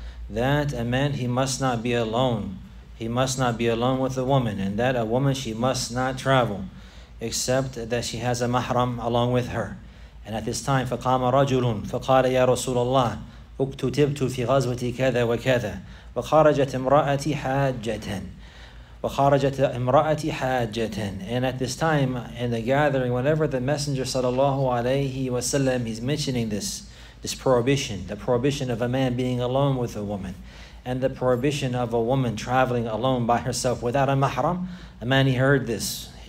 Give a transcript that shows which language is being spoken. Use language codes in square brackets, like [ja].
[en] That a man, he must not be alone. He must not be alone with a woman. And that a woman, she must not travel except that she has a mahram along with her. And at this time, [ar] فَقَامَ رَجُلٌ فَقَالَ يَا رَسُولَ اللَّهِ أُكْتُتِبْتُ فِي غَزْوَتِي كَذَا وَكَذَا وَخَرَجَتْ امْرَأَتِي حَاجَّةً وَخَرَجَتْ امْرَأَتِي حَاجَّةً. [en] And at this time, in the gathering, whenever the Messenger sallallahu alayhi wa sallam, he's mentioning this prohibition, the prohibition of a man being alone with a woman, and the prohibition of a woman traveling alone by herself without a mahram, a man, he heard this.